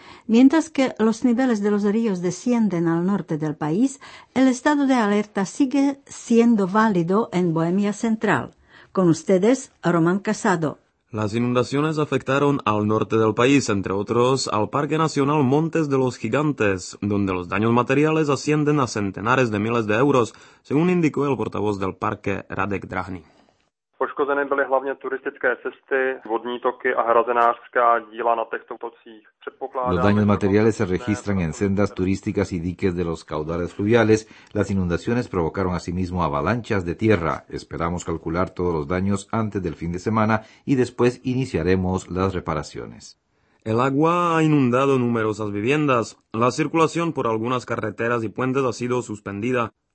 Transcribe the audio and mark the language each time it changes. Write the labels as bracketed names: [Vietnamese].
[Spanish] Mientras que los niveles de los ríos descienden al norte del país, el estado de alerta sigue siendo válido en Bohemia Central. Con ustedes, Román Casado. Las inundaciones afectaron al norte del país, entre otros, al Parque Nacional Montes de los Gigantes, donde los daños materiales ascienden a centenares de miles de euros, según indicó el portavoz del parque, Radek Drahný. [Czech] Poškozeny byly hlavně turistické cesty, vodní toky a hrazenářská díla na těchto tocích. [Spanish] Los daños materiales se registran en sendas turísticas y diques de los caudales fluviales. Las inundaciones provocaron asimismo avalanchas de tierra. Esperamos calcular todos los daños antes del fin de semana y después iniciaremos las reparaciones. El agua ha inundado numerosas viviendas. La circulación por algunas carreteras y puentes ha sido suspendida.